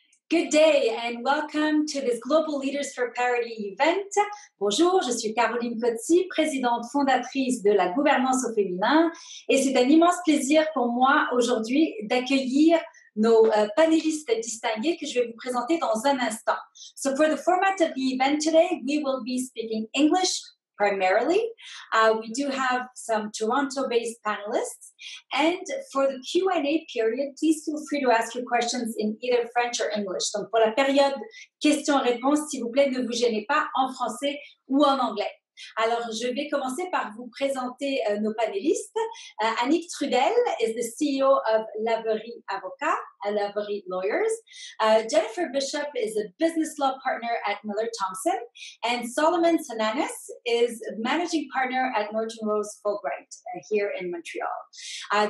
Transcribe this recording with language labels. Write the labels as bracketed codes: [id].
[en] Good day and welcome to this Global Leaders for Parity event. [fr] Bonjour, je suis Caroline Codsi, présidente fondatrice de la gouvernance au féminin. Et c'est un immense plaisir pour moi aujourd'hui d'accueillir nos panélistes distingués que je vais vous présenter dans un instant. [en] So for the format of the event today, we will be speaking English primarily. We do have some Toronto-based panelists. And for the Q&A period, please feel free to ask your questions in either French or English. [fr] Donc pour la période question-réponse, s'il vous plaît, ne vous gênez pas en français ou en anglais. Alors, je vais commencer par vous présenter nos panélistes. [en] Anik Trudel is the CEO of Lavery Avocats, Lavery Lawyers. Jennifer Bishop is a business law partner at Miller Thomson. And Solomon Sananes is managing partner at Norton Rose Fulbright here in Montreal.